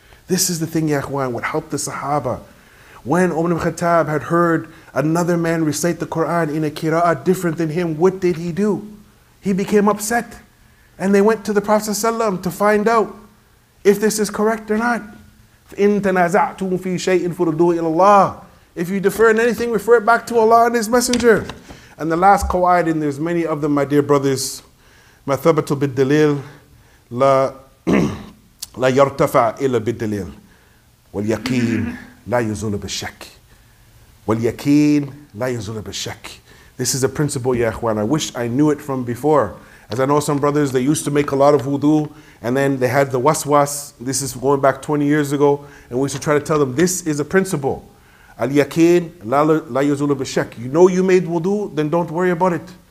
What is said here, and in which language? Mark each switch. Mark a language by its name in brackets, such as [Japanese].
[English] This is the thing, ya ikhwan, what helped the Sahaba. When Umar ibn Khattab had heard another man recite the Quran in a qira'ah different than him, what did he do? He became upset. And they went to the Prophet ﷺ to find out if this is correct or not. [Arabic] إِن تَنَازَعْتُمْ فِي شَيْءٍ فُرُدُّوهُ إِلَى اللَّهِ. [English] If you defer in anything, refer it back to Allah and His Messenger. And the last qawaid, and there's many of them, my dear brothers, [Arabic] مَثَبَتُ بِالدَّلِيلِ لَا يَرْتَفَعْ إِلَّا بِالدَّلِيلِ وَالْيَقِينِ لَا يُزُولُ بِالشَّكِ وَالْيَقِينِ لَا يُزُولُ بِالشَّكِ. [English] This is a principle, ya ikhwan. I wish I knew it from before. As I know some brothers, they used to make a lot of wudu, and then they had the waswas. This is going back 20 years ago, and we used to try to tell them, this is a principle. [Arabic] Al-yakin, la yuzulu bishak. [English] You know you made wudu, then don't worry about it.